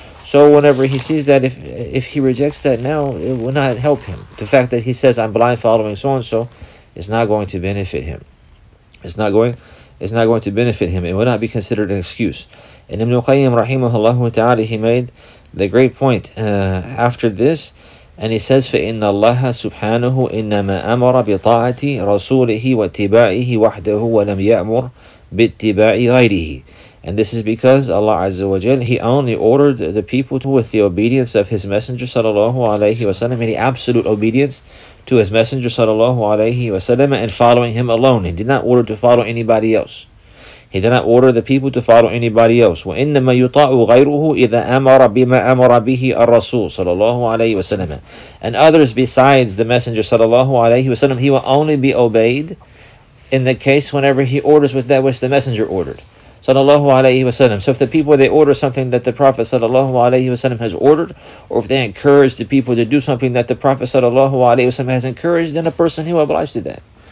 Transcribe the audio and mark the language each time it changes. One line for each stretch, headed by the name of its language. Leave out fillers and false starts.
English: So whenever he sees that, if he rejects that now, it will not help him. The fact that he says, I'm blind following so and so, is not going to benefit him. It's not going to benefit him. It will not be considered an excuse. And Ibn Qayyim rahimahullahu ta'ala, he made the great point after this. And he says,
Arabic: فَإِنَّ اللَّهَ سُبْحَانَهُ إِنَّمَا أَمَرَ بِطَاعَةِ رَسُولِهِ وَاتِّبَاعِهِ وَحْدَهُ وَلَمْ يَأْمُرْ بِاتِّبَاعِ غَيْرِهِ.
English: And this is because Allah Azza wa Jal, He only ordered the people to with the obedience of His Messenger sallallahu alayhi wa sallam, any absolute obedience to His Messenger sallallahu alayhi wa sallam, and following Him alone. He did not order to follow anybody else. He did not order the people to follow anybody else.
Arabic: وَإِنَّمَا يُطَاعُ غَيْرُهُ إِذَا أَمَرَ بِمَا أَمَرَ بِهِ الرَّسُولُ صلى الله عليه وسلم.
English: And others besides the Messenger صلى الله عليه وسلم, he will only be obeyed in the case whenever he orders with that which the Messenger ordered صلى الله عليه وسلم. So if the people, they order something that the Prophet صلى الله عليه وسلم has ordered, or if they encourage the people to do something that the Prophet صلى الله عليه وسلم has encouraged, then a person, he will oblige to that.